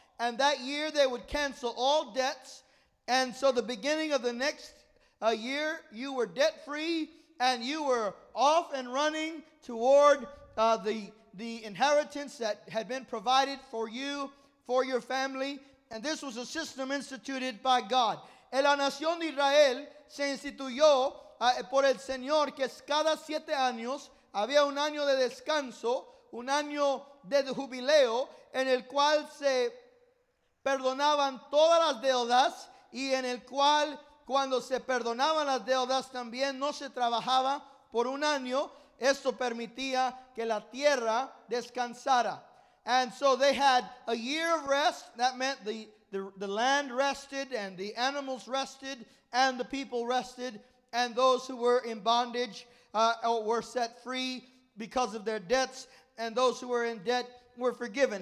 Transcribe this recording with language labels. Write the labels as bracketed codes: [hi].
[en] And that year, they would cancel all debts. And so the beginning of the next year, you were debt-free, and you were off and running toward the inheritance that had been provided for you, for your family. And this was a system instituted by God. [es] La nación de Israel se instituyó por el Señor, que cada 7 años había un año de descanso, un año de jubileo, en el cual se perdonaban todas las deudas, y en el cual cuando se perdonaban las deudas también no se trabajaba por un año. Esto permitía que la tierra descansara. [en] And so they had a year of rest. That meant the land rested and the animals rested and the people rested, and those who were in bondage were set free because of their debts, and those who were in debt were forgiven.